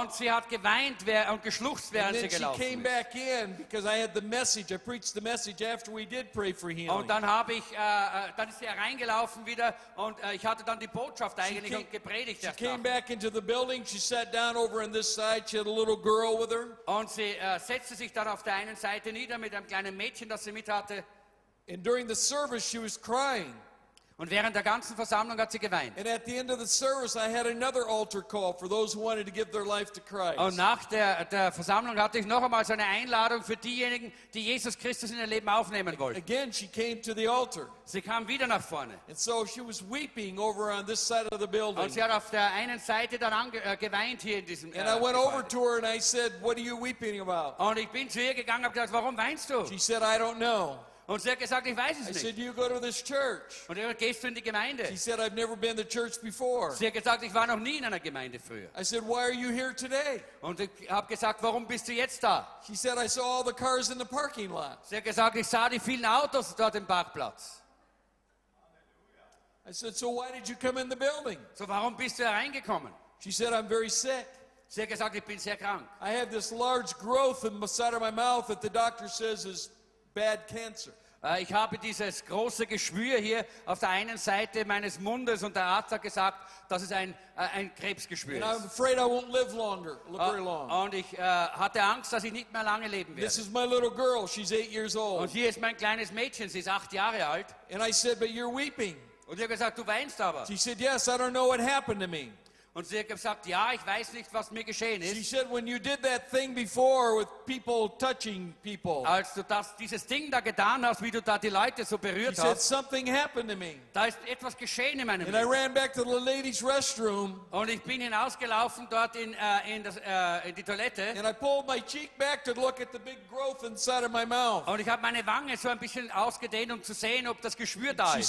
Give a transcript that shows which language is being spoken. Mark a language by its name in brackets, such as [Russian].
[German] Und sie hat geweint und geschluchzt, während sie gelaufen ist. [English] And then she came back in because I had the message. I preached the message after we did pray for healing. [German] Und dann ist sie reingelaufen wieder und ich hatte dann die Botschaft eigentlich und gepredigt. [English] She came back into the building. She sat down over on this side. She had a little girl with her. [German] Und sie setzte sich dann auf der einen Seite nieder mit einem kleinen Mädchen, das sie mit hatte. [English] And during the service, she was crying. [German] Und während der ganzen Versammlung hat sie geweint. [English] And at the end of the service, I had another altar call for those who wanted to give their life to Christ. [German] Und nach der Versammlung hatte ich noch einmal so eine Einladung für diejenigen, die Jesus Christus in ihr Leben aufnehmen wollten. [English] Again, she came to the altar. [German] Sie kam wieder nach vorne. [English] And so she was weeping over on this side of the building. [German] Und sie hat auf der einen Seite dann geweint hier in diesem. [English] And I went over to her and I said, "What are you weeping about?" [German] Und ich bin zu ihr gegangen und habe gesagt, warum weinst du? [English] She said, "I don't know." [German] Und sie hat gesagt, ich weiß es nicht. [English] I said, you go to this church. [German] Und er gehst du in die Gemeinde. [English] She said, I've never been to church before. [German] Sie hat gesagt, ich war noch nie in einer Gemeinde früher. [English] I said, why are you here today? [German] Und ich habe gesagt, warum bist du jetzt da? [English] She said, I saw all the cars in the parking lot. [German] Sie hat gesagt, ich sah die vielen Autos dort im Parkplatz. [English] I said, so why did you come in the building? [German] So warum bist du reingekommen? [English] She said, I'm very sick. [German] Sie hat gesagt, ich bin sehr krank. [English] I have this large growth in the side of my mouth that the doctor says is bad cancer. [German] Ich habe dieses große Geschwür hier auf der einen Seite meines Mundes und der Arzt hat gesagt, das ist ein Krebsgeschwür. [English] And I'm afraid I won't live longer, very long. [German] Und ich hatte Angst, dass ich nicht mehr lange leben werde. [English] This is my little girl. She's 8 years old. [German] Und hier ist mein kleines Mädchen. Sie ist 8 Jahre alt. [English] And I said, but you're weeping. [German] Und ich habe gesagt, du weinst aber. [English] She said, yes, I don't know what happened to me. [German] Und sie hat gesagt, ja, ich weiß nicht, was mir geschehen ist. [English] She said, when you did that thing before with people touching people. [German] Als du dieses Ding da getan hast, wie du da die Leute so berührt hast. [English] She said, something happened to me. [German] Da ist etwas geschehen in meinem Leben. [English] And I ran back to the ladies' restroom. [German] Und ich bin hinausgelaufen dort in die Toilette. [English] And I pulled my cheek back to look at the big growth inside of my mouth. [German] Und ich habe meine Wange so ein bisschen ausgedehnt, um zu sehen, ob das Geschwür da ist.